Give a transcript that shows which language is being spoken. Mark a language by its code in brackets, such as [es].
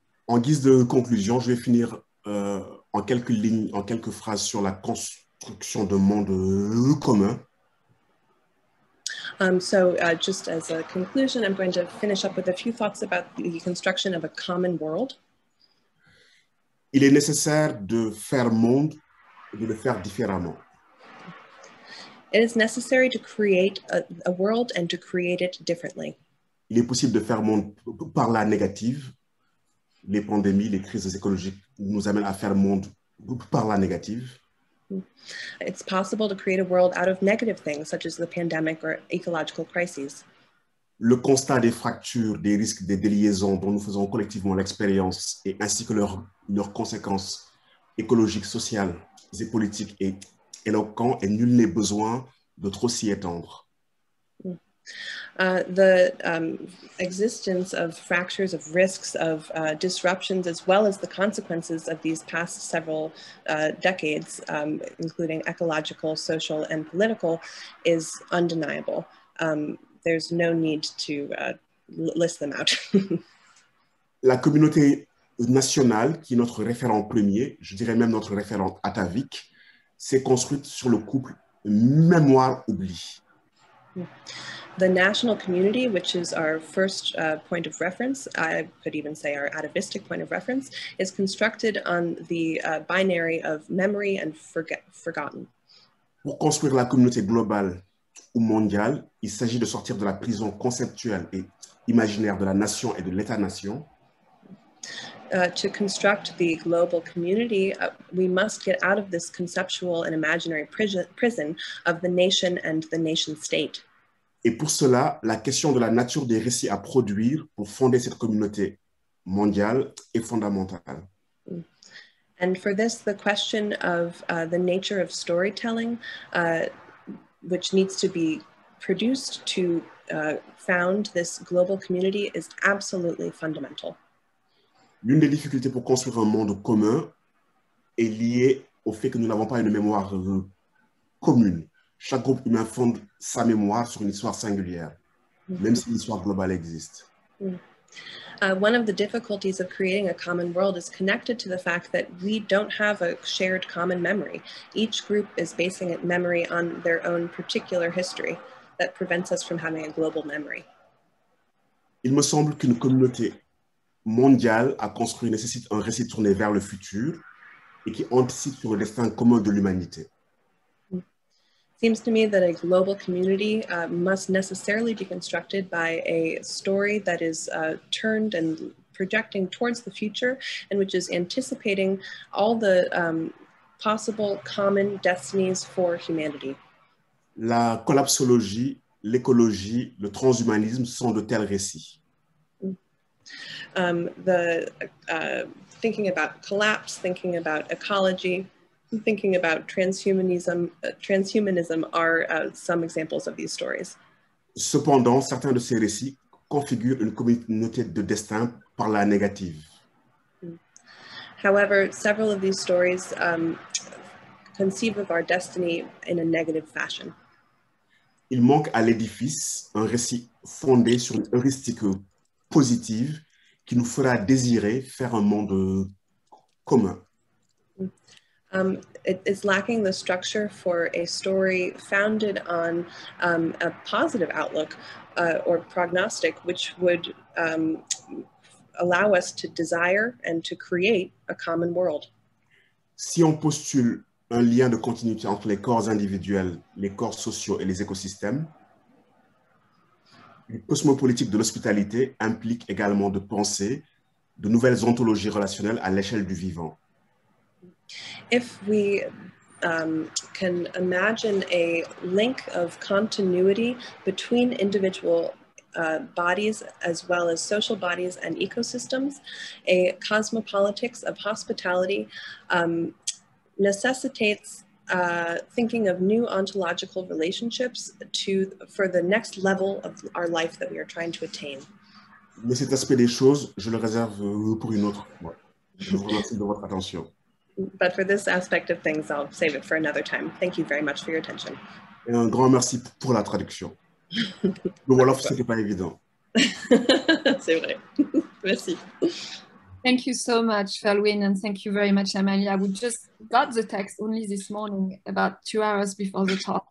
[fr] En guise de conclusion, je vais finir en quelques lignes, en quelques phrases sur la construction d'un monde commun. [en] Just as a conclusion, I'm going to finish up with a few thoughts about the construction of a common world. [fr] Il est nécessaire de faire monde et de le faire différemment. [en] It is necessary to create a world and to create it differently. [fr] Il est possible de faire monde par la négative. Les pandémies, les crises écologiques nous amènent à faire monde par la négative. [en] It's possible to create a world out of negative things, such as the pandemic or ecological crises. [fr] Le constat des fractures, des risques, des déliaisons dont nous faisons collectivement l'expérience, et ainsi que leurs conséquences écologiques, sociales et politiques est éloquent, et nul n'est besoin de trop s'y étendre. [en] The existence of fractures, of risks, of disruptions, as well as the consequences of these past several decades, including ecological, social, and political, is undeniable. There's no need to list them out. [fr] La communauté nationale, qui est notre référent premier, je dirais même notre référent atavique, s'est construite sur le couple mémoire-oubli. [en] The national community, which is our first point of reference, I could even say our atavistic point of reference, is constructed on the binary of memory and forgotten. [fr] Pour construire la communauté globale ou mondiale, il s'agit de sortir de la prison conceptuelle et imaginaire de la nation et de l'État-nation. [en] To construct the global community, we must get out of this conceptual and imaginary prison of the nation and the nation-state. [fr] Et pour cela, la question de la nature des récits à produire pour fonder cette communauté mondiale est fondamentale. [en] And for this, the question of the nature of storytelling, which needs to be produced to found this global community, is absolutely fundamental. [fr] L'une des difficultés pour construire un monde commun est liée au fait que nous n'avons pas une mémoire commune. Chaque groupe humain fonde sa mémoire sur une histoire singulière, même si l'histoire globale existe. [en] One of the difficulties of creating a common world is connected to the fact that we don't have a shared common memory. Each group is basing its memory on their own particular history that prevents us from having a global memory. [fr] Il me semble qu'une communauté mondiale à construire nécessite un récit tourné vers le futur et qui anticipe sur le destin commun de l'humanité. [en] Seems to me that a global community must necessarily be constructed by a story that is turned and projecting towards the future and which is anticipating all the possible common destinies for humanity. [fr] La collapsologie, l'écologie, le transhumanisme sont de tels récits. [en] Thinking about collapse, thinking about ecology, thinking about transhumanism are some examples of these stories. [fr] Cependant, certains de ces récits configurent une communauté de destin par la négative. [en] However, several of these stories conceive of our destiny in a negative fashion. [fr] Il manque à l'édifice un récit fondé sur une heuristique positive qui nous fera désirer faire un monde commun. [en] It is lacking the structure for a story founded on a positive outlook or prognostic, which would allow us to desire and to create a common world. [fr] Si on postule un lien de continuité entre les corps individuels, les corps sociaux et les écosystèmes, une cosmopolitique de l'hospitalité implique également de penser de nouvelles ontologies relationnelles à l'échelle du vivant. [en] If we can imagine a link of continuity between individual bodies as well as social bodies and ecosystems, a cosmopolitics of hospitality necessitates thinking of new ontological relationships for the next level of our life that we are trying to attain. [fr] Mais cet aspect des choses, je le réserve pour une autre fois. Je vous remercie de votre attention. [en] But for this aspect of things, I'll save it for another time. Thank you very much for your attention. [fr] Et un grand merci pour la traduction. Le Wolof, c'était pas évident. C'est vrai. Merci. [en] Thank you so much, Felwine, and thank you very much, Amalia. We just got the text only this morning, about 2 hours before the talk.